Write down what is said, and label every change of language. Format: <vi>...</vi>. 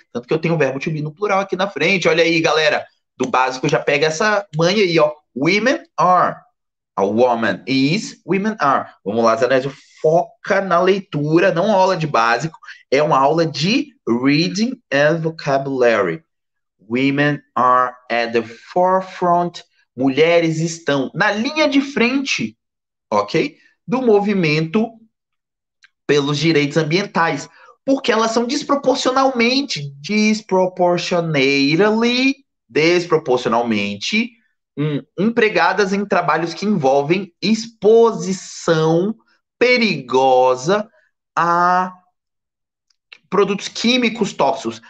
<pt>Tanto que eu tenho o verbo to be no plural aqui na frente. Olha aí, galera. Do básico já pega essa manha aí, ó.</pt> <en>Women are. A woman is, women are.</en> <pt>Vamos lá,</pt> <en>Zanésio.</en> <pt>Foca na leitura, não aula de básico. É uma aula de</pt> <en>reading and vocabulary. Women are at the forefront.</en> <pt>Mulheres estão na linha de frente, ok? Do movimento pelos direitos ambientais. Porque elas são desproporcionalmente, desproporcionalmente, empregadas em trabalhos que envolvem exposição perigosa a produtos químicos tóxicos.</pt>